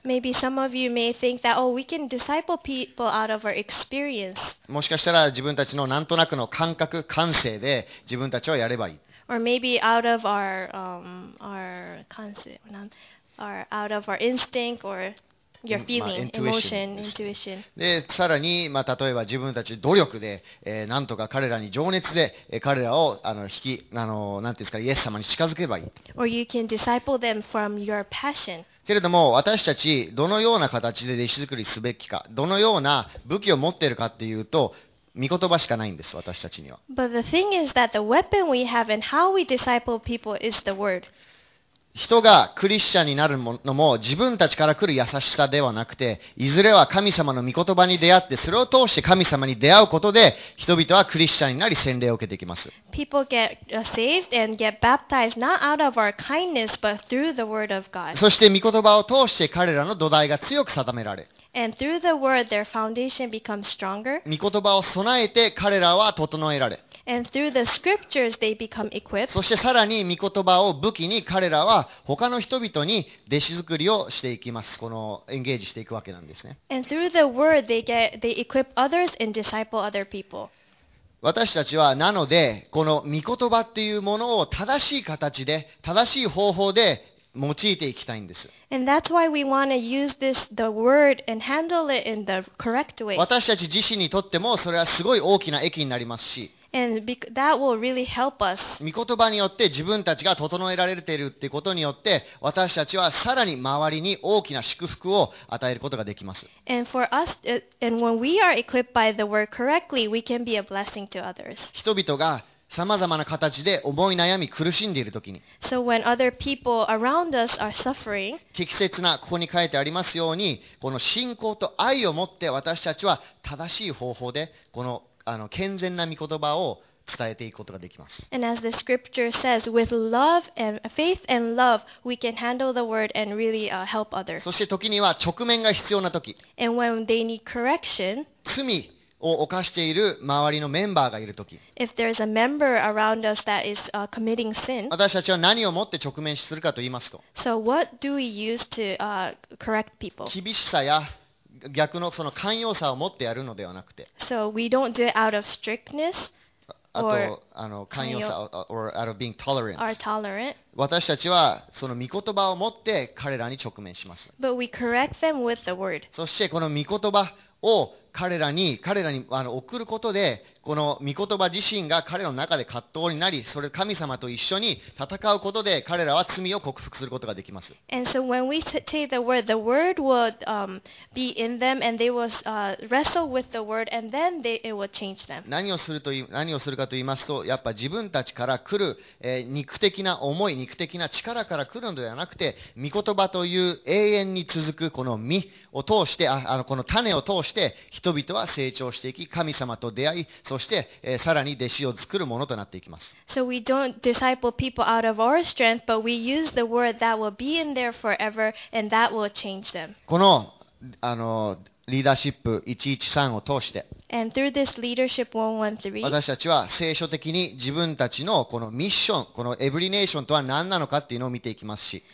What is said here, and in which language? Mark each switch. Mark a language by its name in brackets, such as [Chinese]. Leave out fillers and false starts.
[English] Maybe some of you may think that, oh, we can disciple people out of our experience. [Japanese] もしかしたら自分たちのなんとなくの感覚、感性で自分たちはやればいい。 [English] Or maybe out of our concept, or out of our instinct or your feeling, emotion, intuition. [Japanese] で、さらに、まあ、例えば自分たち努力で、なんとか彼らに情熱で、彼らをなんていうんですか、イエス様に近づけばいい。 [English] Or you can disciple them from your passion. [Japanese] けれども私たちどのような形で弟子作りすべきか、どのような武器を持っているかっていうと、御言葉しかないんです、私たちには。 [English] But the thing is that the weapon we have and how we disciple people is the word. [Japanese] 人がクリスチャンになるものも自分たちから来る優しさではなくて、いずれは神様の御言葉に出会って、それを通して神様に出会うことで、人々はクリスチャンになり洗礼を受けていきます。 [English] People get saved and get baptized not out of our kindness, but through the word of God. [Japanese] そして御言葉を通して彼らの土台が強く定められ。 [English] And through the word, their foundation becomes stronger. [Japanese] 御言葉を備えて彼らは整えられ。 [English] And through the scriptures, they become equipped. [Japanese] そしてさらに御言葉を武器に彼らは他の人々に弟子作りをしていきます。このエンゲージしていくわけなんですね。 [English] And through the word, they equip others and disciple other people. [Japanese] 私たちはなのでこの御言葉っていうものを正しい形で、正しい方法で用いていきたいんです。 [English] And that's why we want to use this, the word and handle it in the correct way. [Japanese] 私たち自身にとってもそれはすごい大きな益になりますし、 [English] And that will really help us. [Japanese] 御言葉によって自分たちが整えられているということによって、私たちはさらに周りに大きな祝福を与えることができます。 [English] And for us, and when we are equipped by the word correctly, we can be a blessing to others. [Japanese] 人々が様々な形で思い悩み苦しんでいるときに、 [English] So when other people around us are suffering, [Japanese] 適切な、ここに書いてありますように、この信仰と愛を持って私たちは正しい方法でこの健全な御言葉を伝えていくことができます。 [English] And as the scripture says, with love and faith and love, we can handle the word and really help others. [Japanese] そして時には直面が必要な時、 [English] And when they need correction, [Japanese] 罪を犯している周りのメンバーがいる時、 [English] If there's a member around us that is committing sin, [Japanese] 私たちは何をもって直面するかと言いますと、 [English] So what do we use to correct people? [Japanese] 厳しさや逆のその寛容さを持ってやるのではなくて、 [English] So we don't do it out of strictness or 寛容さ or out of being tolerant. Are tolerant. [Japanese] 私たちはその御言葉を持って彼らに直面します。 [English] But we correct them with the word. [Japanese] そしてこの御言葉を彼らに送ることで、この御言葉自身が彼の中で葛藤になり、それ神様と一緒に戦うことで彼らは罪を克服することができます。 [English] And so when we say the word would be in them and they will wrestle with the word and then it will change them. [Japanese] 何をするかと言いますと、やっぱ自分たちから来る、肉的な思い、肉的な力から来るのではなくて、御言葉という永遠に続くこの実を通して、この種を通して人々は成長していき、神様と出会い、そしてさらに弟子を作るものとなっていきます。 [English] So we don't disciple people out of our strength, but we use the word that will be in there forever, and that will change them. [Japanese] このリーダーシップ113を通して、 [English] And through this leadership 113, [Japanese] 私たちは聖書的に自分たちのこのミッション、このエブリネーションとは何なのかっていうのを見ていきますし、